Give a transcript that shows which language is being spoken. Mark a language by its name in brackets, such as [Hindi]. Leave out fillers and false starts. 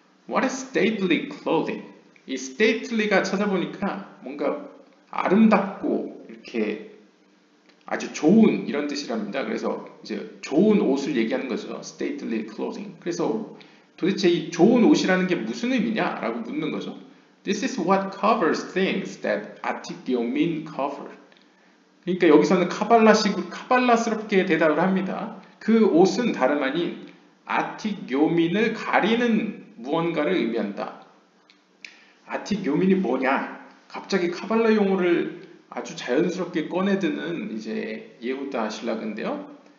[English] What is stately clothing? [Korean] 이 stately가 찾아보니까 뭔가 아름답고 이렇게 아주 좋은 이런 뜻이랍니다. 그래서 이제 좋은 옷을 얘기하는 거죠. [English] stately clothing. [Korean] 그래서 도대체 이 좋은 옷이라는 게 무슨 의미냐? 라고 묻는 거죠. [English] This is what covers things that Atikyomin covered. [Korean] 그러니까 여기서는 카발라식으로 카발라스럽게 대답을 합니다. 그 옷은 다름 아닌 아틱요민을 가리는 무언가를 의미한다. 아틱요민이 뭐냐? 갑자기 카발라 용어를 아주 자연스럽게 꺼내드는 이제 예후다 신라인데요.